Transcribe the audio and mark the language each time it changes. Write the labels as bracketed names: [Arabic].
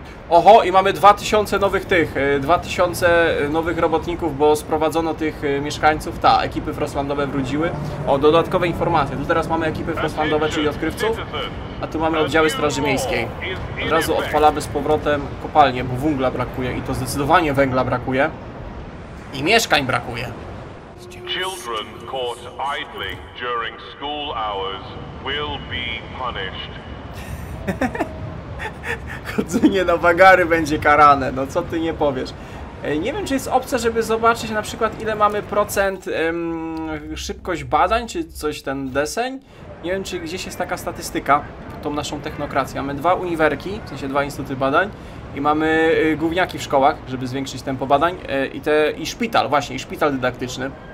[Polish] Oho, i mamy 2000 nowych tych, 2000 nowych robotników, bo sprowadzono tych mieszkańców. Ta, ekipy frostlandowe wróciły. O, dodatkowe informacje. Tu teraz mamy ekipy frostlandowe, czyli odkrywców, a tu mamy oddziały Straży Miejskiej. Od razu odpalamy z powrotem kopalnię, bo węgla brakuje i to zdecydowanie węgla brakuje. I mieszkań brakuje. [English] Children caught idling during school hours will be punished. [Polish] Chodzenie na wagary będzie karane, no co ty nie powiesz. Nie wiem, czy jest opcja, żeby zobaczyć na przykład ile mamy procent szybkość badań, czy coś ten deseń. Nie wiem, czy gdzieś jest taka statystyka pod tą naszą technokrację. Mamy dwa uniwerki, w sensie dwa instytuty badań i mamy gówniaki w szkołach, żeby zwiększyć tempo badań i szpital, właśnie, i szpital dydaktyczny.